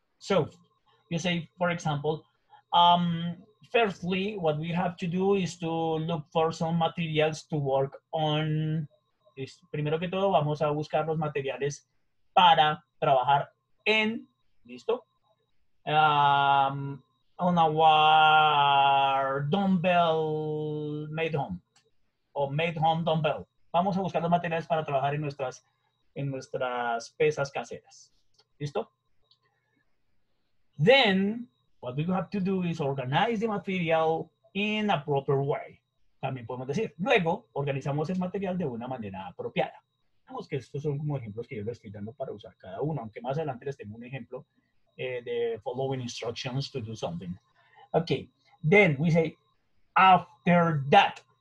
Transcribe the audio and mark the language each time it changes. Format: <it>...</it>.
<en>So, you say, for example, firstly, what we have to do is to look for some materials to work on.</en> <es>Primero que todo, vamos a buscar los materiales para trabajar en, ¿listo?</es> <en>On our dumbbell made home.</en> <es>O made home dumbbell. Vamos a buscar los materiales para trabajar en nuestras pesas caseras. ¿Listo?</es> <en>Then, what we have to do is organize the material in a proper way.</en> <es>También podemos decir, luego, organizamos el material de una manera apropiada. Vemos que estos son como ejemplos que yo les estoy dando para usar cada uno, aunque más adelante les tengo un ejemplo de</es> <en>following instructions to do something. Okay, then we say, after that.</en>